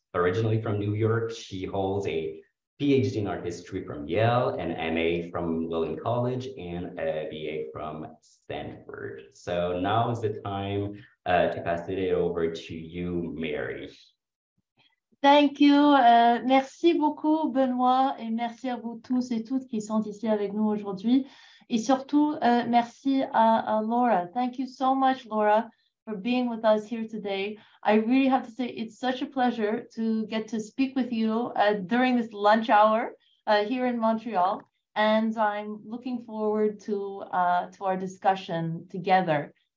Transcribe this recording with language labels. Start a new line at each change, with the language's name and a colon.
English: Originally from New York, she holds a PhD in art history from Yale, an MA from William College, and a BA from Stanford. So now is the time to pass it over to you, Mary. Thank you.
French: Merci beaucoup, Benoît, et merci à vous tous et toutes qui sont ici avec nous aujourd'hui. Et surtout, merci à Laura.
English: Thank you so much, Laura, for being with us here today. I really have to say it's such a pleasure to get to speak with you during this lunch hour here in Montreal. And I'm looking forward to our discussion together.